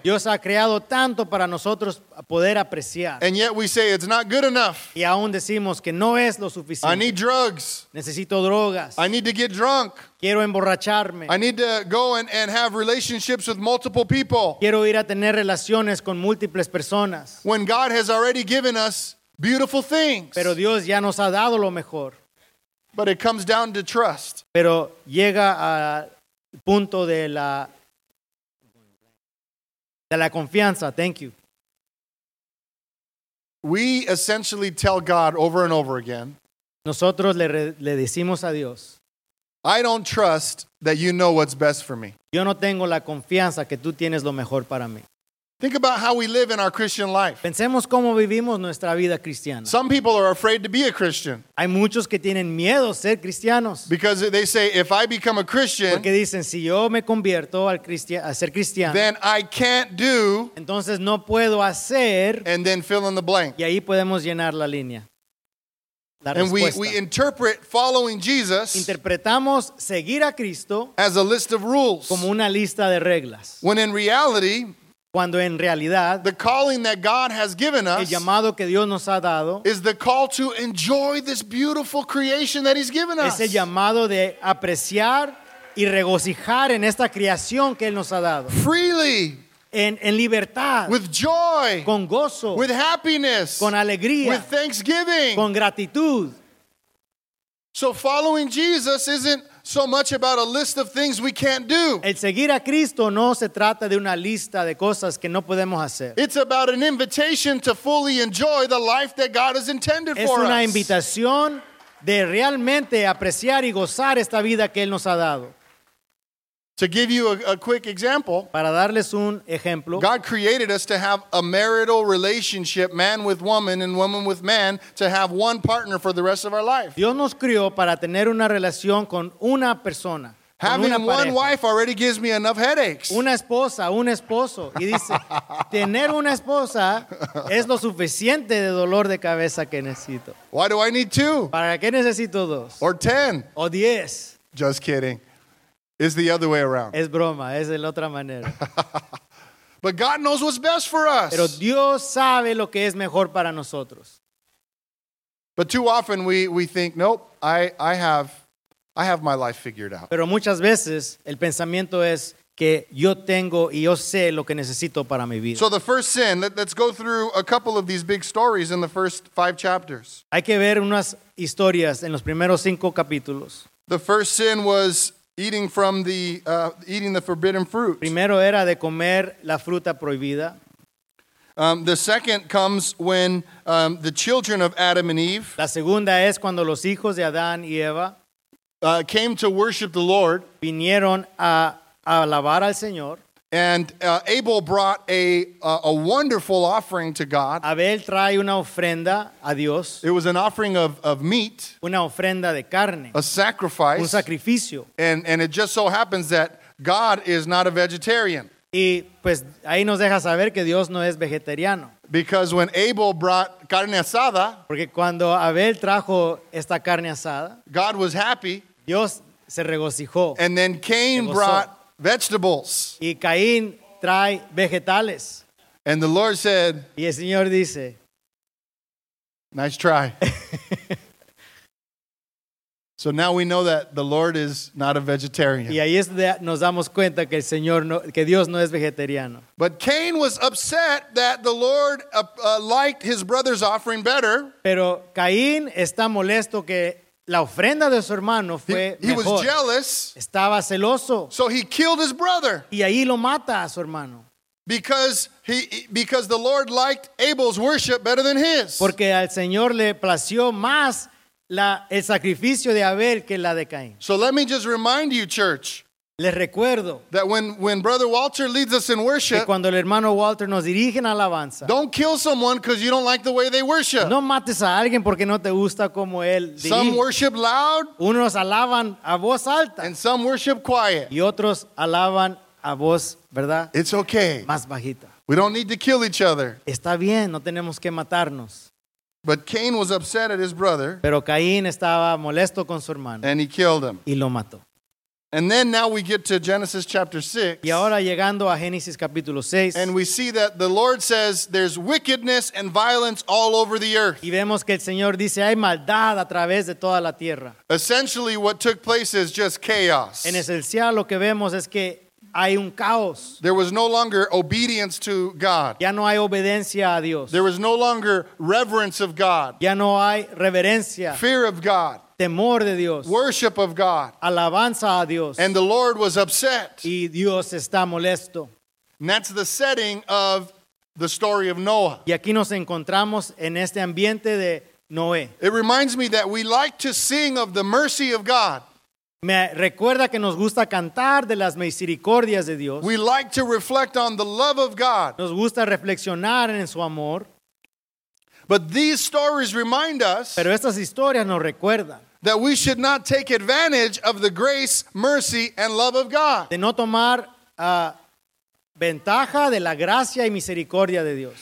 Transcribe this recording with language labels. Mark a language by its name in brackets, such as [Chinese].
[Spanish] Dios ha creado tanto para nosotros poder apreciar. [English] And yet we say it's not good enough. [Spanish] Y aún decimos que no es lo suficiente. [English] I need drugs. [Spanish] Necesito drogas. [English] I need to get drunk. [Spanish] Quiero emborracharme. [English] I need to go and have relationships with multiple people. [Spanish] Quiero ir a tener relaciones con múltiples personas. [English] When God has already given us beautiful things. [Spanish] Pero Dios ya nos ha dado lo mejor. [English] But it comes down to trust. [Spanish] Pero llega al punto de la confianza. [English] Thank you. We essentially tell God over and over again. [Spanish] Nosotros le decimos a Dios. [English] I don't trust that you know what's best for me. [Spanish] Yo no tengo la confianza que tú tienes lo mejor para mí. [English] Think about how we live in our Christian life. [Spanish] Pensemos cómo vivimos nuestra vida cristiana. [English] Some people are afraid to be a Christian. [Spanish] Hay muchos que tienen miedo ser cristianos. [English] Because they say, if I become a Christian, [Spanish] porque dicen, si yo me convierto al a ser cristiano, [English] then I can't do, [Spanish] entonces no puedo hacer, [English] and then fill in the blank. [Spanish] Y ahí podemos llenar la línea. [English] And we interpret following Jesus [Spanish] interpretamos seguir a Cristo [English] as a list of rules. [Spanish] Como una lista de reglas. [English] When in reality, [Spanish] cuando en realidad, [English] the calling that God has given us, [Spanish] el llamado que Dios nos ha dado, [English] is the call to enjoy this beautiful creation that He's given us. [Spanish] Es el llamado de apreciar y regocijar en esta creación que Él nos ha dado. [English] Freely. [Spanish] En libertad, [English] with joy, [Spanish] con gozo, [English] with happiness, [Spanish] con alegría, [English] with thanksgiving, [Spanish] con gratitud. [English] So following Jesus isn't so much about a list of things we can't do. [Spanish] El seguir a Cristo no se trata de una lista de cosas que no podemos hacer. [English] It's about an invitation to fully enjoy the life that God has intended for us. [Spanish] Es una invitación de realmente apreciar y gozar esta vida que Él nos ha dado. [English] To give you a quick example, [Spanish] para darles un ejemplo, [English] God created us to have a marital relationship, man with woman and woman with man, to have one partner for the rest of our life. [Spanish] Dios nos crió para tener una relación con una persona. [English] Having one wife already gives me enough headaches. [Spanish] Una esposa, un esposo. Y dice, tener una esposa es lo suficiente de dolor de cabeza que necesito. [English] Why do I need two? [Spanish] ¿Para qué necesito dos? [English] Or 10. [Spanish] O 10. [English] Just kidding. It's the other way around. [Spanish] Es broma, es de la otra manera. [English] But God knows what's best for us. [Spanish] Pero Dios sabe lo que es mejor para nosotros. [English] But too often we think, nope, I have my life figured out. [Spanish] Pero muchas veces el pensamiento es que yo tengo y yo sé lo que necesito para mi vida. [English] So the first sin, let's go through a couple of these big stories in the first 5 chapters. [Spanish] Hay que ver unas historias en los primeros 5 capítulos. [English] The first sin was eating from the eating the forbidden fruit. [Spanish] Primero era de comer la fruta prohibida. [English] The second comes when the children of Adam and Eve. [Spanish] La segunda es cuando los hijos de Adán y Eva [English] came to worship the Lord. [Spanish] Vinieron a alabar al Señor. [English] And Abel brought a wonderful offering to God. [Spanish] Abel trae una ofrenda a Dios. [English] It was an offering of meat. [Spanish] Una ofrenda de carne. [English] A sacrifice. [Spanish] Un sacrificio. [English] And it just so happens that God is not a vegetarian. [Spanish] Y pues ahí nos deja saber que Dios no es vegetariano. [English] Because when Abel brought carne asada, [Spanish] porque cuando Abel trajo esta carne asada, [English] God was happy. [Spanish] Dios se regocijó. [English] And then Cain brought vegetables. [Spanish] Y Caín trae vegetales. [English] And the Lord said, [Spanish] y el Señor dice, [English] nice try. So now we know that the Lord is not a vegetarian. [Spanish] Y ahí es donde nos damos cuenta que el Señor no, que Dios no es vegetariano. [English] But Cain was upset that the Lord liked his brother's offering better. [Spanish] Pero Caín está molesto que la ofrenda de su hermano fue [English] he [Spanish] mejor. [English] Was jealous. [Spanish] Estaba celoso. [English] So he killed his brother. [Spanish] Y ahí lo mata a su hermano. [English] Because the Lord liked Abel's worship better than his. [Spanish] Porque al Señor le plació más el sacrificio de Abel que la de Caín. [English] So let me just remind you, church. [Spanish] Les recuerdo. [English] That when Brother Walter leads us in worship. [Spanish] Que cuando el hermano Walter nos dirige en alabanza. [English] Don't kill someone because you don't like the way they worship. [Spanish] No mates a alguien porque no te gusta como él dirige. [English] Some worship loud. [Spanish] Unos alaban a voz alta. [English] And some worship quiet. [Spanish] Y otros alaban a voz, ¿verdad? [English] It's okay. [Spanish] Más bajita. [English] We don't need to kill each other. [Spanish] Está bien, no tenemos que matarnos. [English] But Cain was upset at his brother. [Spanish] Pero Caín estaba molesto con su hermano. [English] And he killed him. [Spanish] Y lo mató. [English] And then now we get to Genesis chapter 6. [Spanish] Y ahora llegando a Génesis capítulo 6. [English] And we see that the Lord says there's wickedness and violence all over the earth. [Spanish] Y vemos que el Señor dice hay maldad a través de toda la tierra. [English] Essentially what took place is just chaos. [Spanish] En esencial lo que vemos es que hay un caos. [English] There was no longer obedience to God. [Spanish] Ya no hay obediencia a Dios. [English] There was no longer reverence of God. [Spanish] Ya no hay reverencia. [English] Fear of God. [Spanish] Temor de Dios. [English] Worship of God. [Spanish] Alabanza a Dios. [English] And the Lord was upset. [Spanish] Y Dios está molesto. [English] And that's the setting of the story of Noah. [Spanish] Y aquí nos encontramos en este ambiente de Noé. [English] It reminds me that we like to sing of the mercy of God. [Spanish] Me recuerda que nos gusta cantar de las misericordias de Dios. [English] We like to reflect on the love of God. [Spanish] Nos gusta reflexionar en su amor. [English] But these stories remind us. [Spanish] Pero estas historias nos recuerdan. [English] That we should not take advantage of the grace, mercy, and love of God. [Spanish] De no tomar ventaja de la gracia y misericordia de Dios.